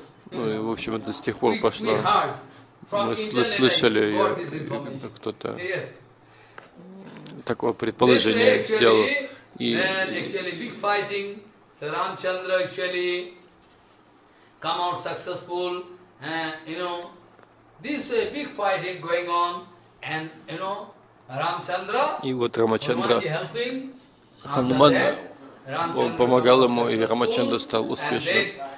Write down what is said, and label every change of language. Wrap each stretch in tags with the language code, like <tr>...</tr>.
<ru>Ну и в общем, это с тех пор пошло. Мы слышали, кто-то такое предположение сделал.</ru> <en>И big fighting, Ram Chandra actually come out successful, you know, this big fighting going on, and you know, Ram Chandra.</en> <ru>И вот Рамачандра, Хануман, он помогал ему, и Рамачандра стал успешным.</ru>